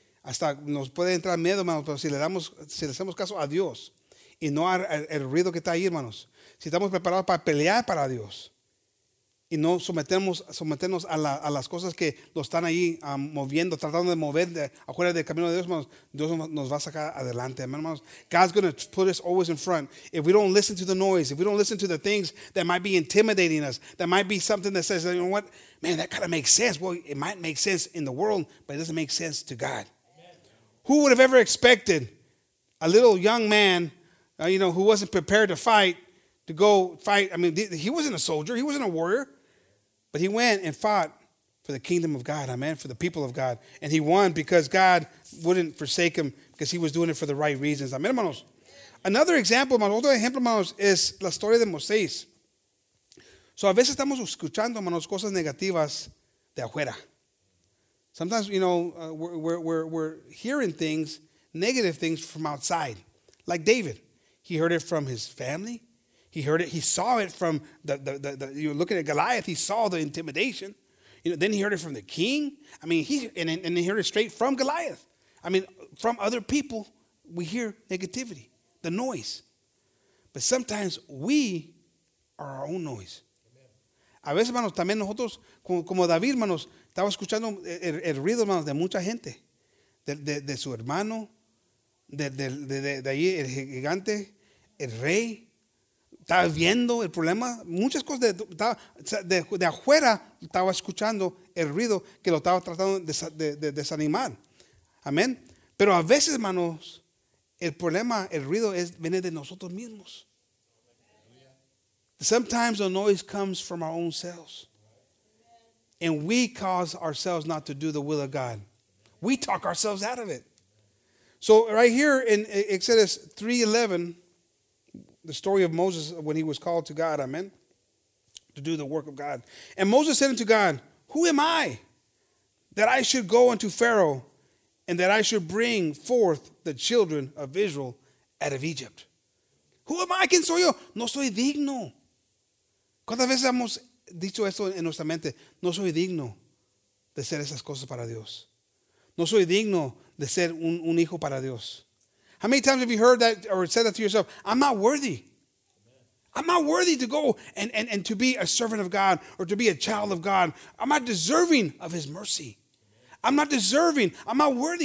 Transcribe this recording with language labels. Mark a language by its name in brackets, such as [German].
[Spanish] Hasta nos puede entrar miedo, hermanos, pero si le hacemos caso a Dios y no al ruido que está ahí, hermanos, si estamos preparados para pelear para Dios y no someternos a las cosas que lo están ahí moviendo, tratando de mover afuera del camino de Dios, hermanos, Dios nos va a sacar adelante, hermanos. [English] God's going to put us always in front. If we don't listen to the noise, if we don't listen to the things that might be intimidating us, that might be something that says, you know what, man, that kind of makes sense. Well, it might make sense in the world, but it doesn't make sense to God. Who would have ever expected a little young man, you know, who wasn't prepared to fight, to go fight? I mean, he wasn't a soldier. He wasn't a warrior. But he went and fought for the kingdom of God, amen, for the people of God. And he won because God wouldn't forsake him because he was doing it for the right reasons. [Spanish] Amen, hermanos. [English] Another example, [Spanish] hermanos, otro ejemplo, hermanos, es la historia de Moisés. So a veces estamos escuchando, hermanos, cosas negativas de afuera. [English] Sometimes, you know, we're hearing things, negative things from outside, like David. He heard it from his family. He heard it. He saw it from the you know, looking at Goliath, he saw the intimidation. You know, then he heard it from the king. I mean, he heard it straight from Goliath. I mean, from other people, we hear negativity, the noise. But sometimes we are our own noise. [Spanish] A veces, hermanos, también nosotros, como David, hermanos, estaba escuchando el ruido, hermanos, de mucha gente, de su hermano, de ahí el gigante, el rey. Estaba viendo el problema, muchas cosas de afuera estaba escuchando el ruido que lo estaba tratando de desanimar. Amén. Pero a veces, hermanos, el problema, el ruido viene de nosotros mismos. [English] Sometimes the noise comes from our own selves. And we cause ourselves not to do the will of God. We talk ourselves out of it. So right here in Exodus 3:11, the story of Moses when he was called to God, amen, to do the work of God. And Moses said unto God, who am I that I should go unto Pharaoh and that I should bring forth the children of Israel out of Egypt? Who am I? [Spanish] ¿Quién soy yo? No soy digno. ¿Cuántas veces hemos dicho esto en nuestra mente? No soy digno de hacer esas cosas para Dios. No soy digno de ser un hijo para Dios. [English] How many times have you heard that or said that to yourself? I'm not worthy. I'm not worthy to go and to be a servant of God or to be a child of God. I'm not deserving of his mercy. I'm not deserving. I'm not worthy.